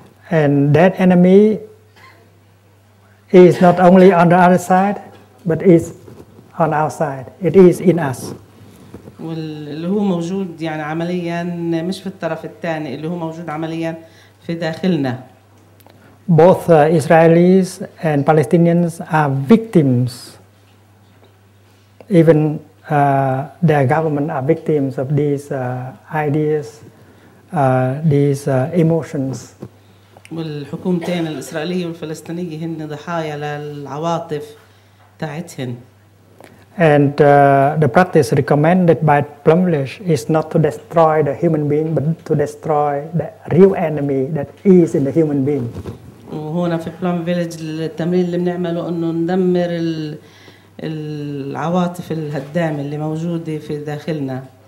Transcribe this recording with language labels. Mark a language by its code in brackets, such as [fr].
[en] And that enemy is not only on the other side, but is on our side. It is in us. [ar] واللي هو موجود يعني عمليا مش في الطرف الثاني اللي هو موجود عمليا في داخلنا. [en] Both Israelis and Palestinians are victims. Even their government are victims of these ideas, these emotions. [ar] والحكومتين الإسرائيلية والفلسطينية هن ضحايا للعواطف تاعتهن. [en] And the practice recommended by Plum Village is not to destroy the human being, but to destroy the real enemy that is in the human being. [ar] وهنا في Plum Village التمرين اللي بنعمله إنه ندمر العواطف الهدامة اللي موجودة في داخلنا.